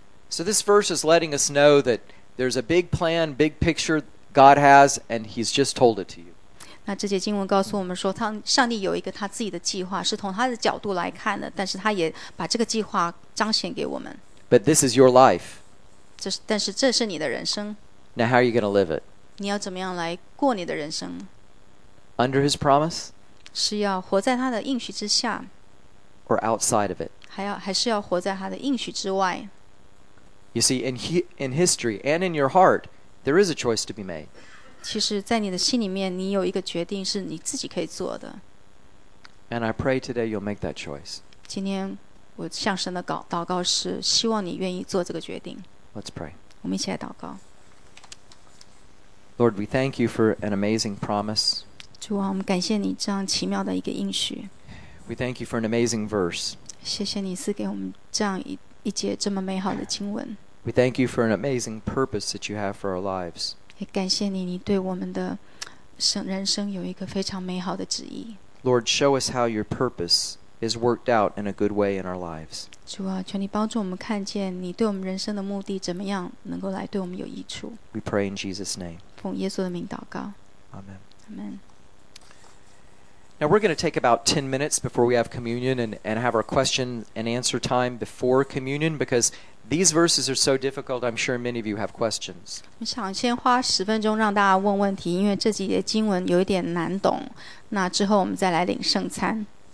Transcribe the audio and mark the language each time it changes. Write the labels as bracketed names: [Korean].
[English] So this verse is letting us know that there's a big plan, big picture God has, and he's just told it to you. [Chinese] 那这节经文告诉我们说他上帝有一个他自己的计划是从他的角度来看的但是他也把这个计划彰显给我们 [English] But this is your life [Chinese] 但是这是你的人生 [English] Now how are you going to live it? [Chinese] 你要怎么样来过你的人生 [English] Under his promise? [Chinese] 是要活在他的应许之下 [English] or outside of it. [Chinese] 还是要活在他的应许之外。 [English] You see, in history and in your heart, there is a choice to be made. [Chinese] 其实在你的心里面，你有一个决定是你自己可以做的。 [English] And I pray today you'll make that choice. [Chinese] 今天我向神的祷告是希望你愿意做这个决定。 [English] Let's pray. [Chinese] 我们一起来祷告。 [English] Lord, we thank you for an amazing promise. [Chinese] 主啊，我们感谢你这样奇妙的一个应许。 [English] We thank you for an amazing verse. [Chinese] 谢谢你赐给我们这样一节这么美好的经文。 [English] We thank you for an amazing purpose that you have for our lives. [Chinese] 也感谢你，你对我们的人生有一个非常美好的旨意。 [English] Lord, show us how your purpose is worked out in a good way in our lives. [Chinese] 主啊，求你帮助我们看见你对我们人生的目的怎么样能够来对我们有益处。 [English] We pray in Jesus' name. [Chinese] 奉耶稣的名祷告。 [English] Amen. Amen. Now we're going to take about 10 minutes before we have communion and have our question and answer time before communion because these verses are so difficult, I'm sure many of you have questions. [Chinese] 我想先花十分钟让大家问问题，因为这几节经文有一点难懂，那之后我们再来领圣餐。